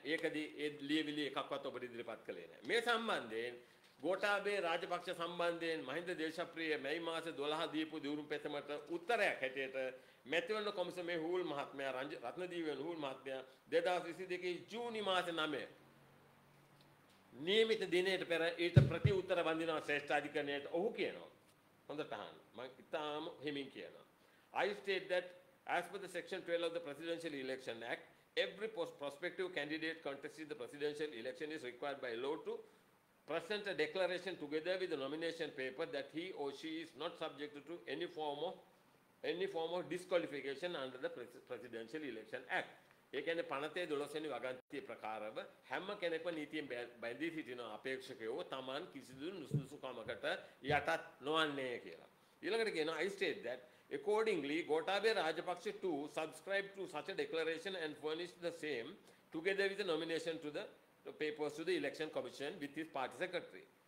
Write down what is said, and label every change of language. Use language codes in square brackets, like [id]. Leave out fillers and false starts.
[si] ඒකදී ඒ ලියවිලි එකක්වත් ඔබට ඉදිරිපත් කළේ නැහැ. මේ සම්බන්ධයෙන් ගෝඨාභය රාජපක්ෂ සම්බන්ධයෙන් මහින්ද දේශප්‍රිය මැයි මාසේ 12 දීපු දිනුම් පෙතමට උත්තරයක් හැටියට මෙතිවන කොමිසමේ හූල් මහත්මයා රත්නදීප වෙන හූල් මහත්මයා 2022 ජූනි මාසේ 9 නියමිත දිනයට පෙර ඊට ප්‍රතිඋත්තර වඳිනවා ශ්‍රේෂ්ඨ අධිකරණයට. ඔහු කියනවා, හොඳට අහන්න, මම ඉතාම හිමින් කියනවා. [en] I state that as per the section 12 of the presidential election act, every prospective candidate contesting the presidential election is required by law to present a declaration together with the nomination paper that he or she is not subject to any form of disqualification under the presidential election act. [si] ඒ කියන්නේ 52 වෙනි වගන්තිය ප්‍රකාරව හැම කෙනෙක්ම නීතියෙන් බැඳී සිටින අපේක්ෂකයෝ තමන් කිසිදු නුසුදුසුකමකට යටත් නොවන්නේ කියලා. ඊළඟට කියනවා, [en] I state that accordingly Gotabaya Rajapaksha too subscribed to such a declaration and furnished the same together with the nomination to the papers to the election commission with his party secretary.